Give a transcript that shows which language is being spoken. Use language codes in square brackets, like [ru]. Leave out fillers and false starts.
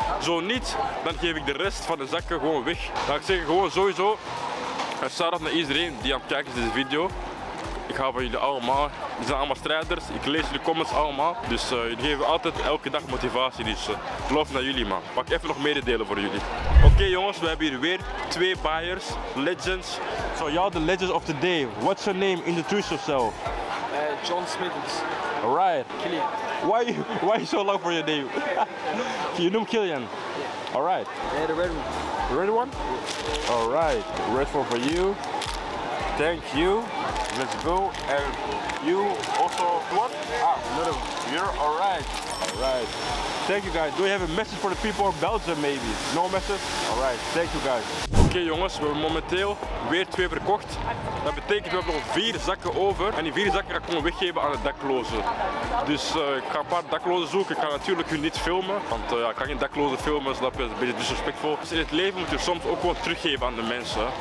[nl] Zo niet, dan geef ik de rest van de zakken gewoon weg. Dan ga ik zeggen, gewoon sowieso. En shout-out naar iedereen die aan het kijken is deze video. Ik hou van jullie allemaal. Jullie zijn allemaal strijders. Ik lees jullie comments allemaal. Dus jullie geven altijd elke dag motivatie. Dus geloof naar jullie, man. Pak even nog mededelen voor jullie. Oké, jongens, we hebben hier weer 2 buyers. Legends. [en] So, y'all the legends of the day. What's your name? Introduce yourself. John Smithens. Alright. Killian. Why so long for your name? You know Killian? Yeah. Alright. Yeah, the red one. The red one? All right, red one for you. Thank you. Let's go. And you also what? Ah, another one. You're all right. All right. Thank you guys. Do you have a message for the people in Belgium maybe? No message? All right. Thank you guys. [nl] Oké, jongens, we hebben momenteel weer 2 verkocht. Dat betekent dat we nog 4 zakken over. En die 4 zakken ga ik gewoon weggeven aan de daklozen. Dus ik ga een paar daklozen zoeken. Ik kan natuurlijk hun niet filmen. Want ik kan geen daklozen filmen, snap je? Dat is een beetje disrespectvol. Dus in het leven moet je soms ook gewoon teruggeven aan de mensen.